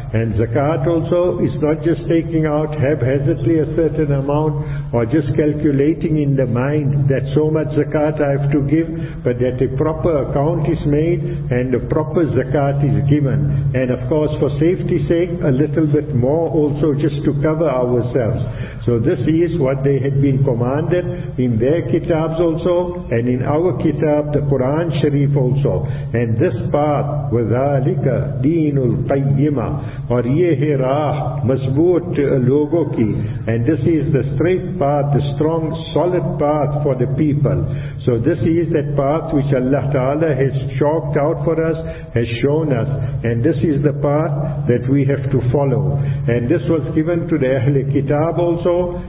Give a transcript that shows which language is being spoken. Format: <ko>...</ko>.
<en>And zakat also is not just taking out haphazardly a certain amount or just calculating in the mind that so much zakat I have to give, but that a proper account is made and a proper zakat is given. And of course, for safety's sake, a little bit more also just to cover ourselves. So this is what they had been commanded in their kitabs also, and in our kitab, the Quran Sharif also. And this path,</en> <ar>وَذَٰلِكَ دِينُ الْقَيِّمَةِ</ar> <ur>اور یہ ہے راہ مضبوط لوگوں کی.</ur> <en>And this is the straight path, the strong, solid path for the people. So this is that path which Allah Ta'ala has chalked out for us, has shown us. And this is the path that we have to follow. And this was given to the Ahl-e Kitab also.</en>